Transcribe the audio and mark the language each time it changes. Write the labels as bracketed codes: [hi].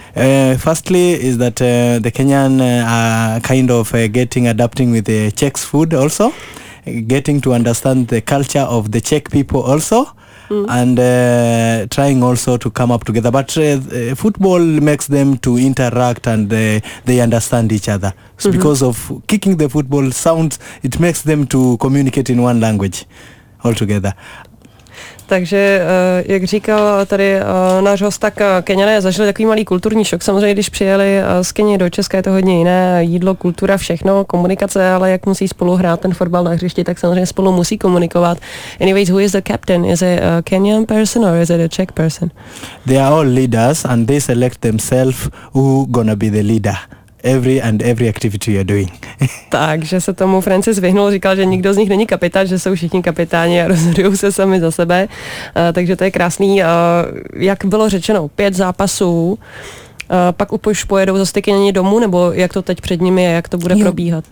[en] Firstly, is that the Kenyan are kind of adapting with the Czech's food also, getting to understand the culture of the Czech people also. And trying also to come up together. But football makes them to interact and they understand each other. So because of kicking the football sounds, it makes them to communicate in one language altogether. [cs] Takže, jak říkal tady náš host, tak Keňané zažili takový malý kulturní šok. Samozřejmě, když přijeli z Keni do Česka, je to hodně jiné. Jídlo, kultura, všechno, komunikace, ale jak musí spolu hrát ten fotbal na hřišti, tak samozřejmě spolu musí komunikovat. [en] Anyways, who is the captain? Is it a Kenyan person or is it a Czech person? They are all leaders and they select themselves who gonna be the leader. every and every activity you're doing. [cs] Takže se tomu Francis vyhnul, říkal, že nikdo z nich není kapitán, že jsou všichni kapitáni a rozhodují se sami za sebe. Takže to je krásný. Jak bylo řečeno, 5 zápasů, pak už pojedou zase taky na ně domů, nebo jak to teď před nimi je, jak to bude probíhat?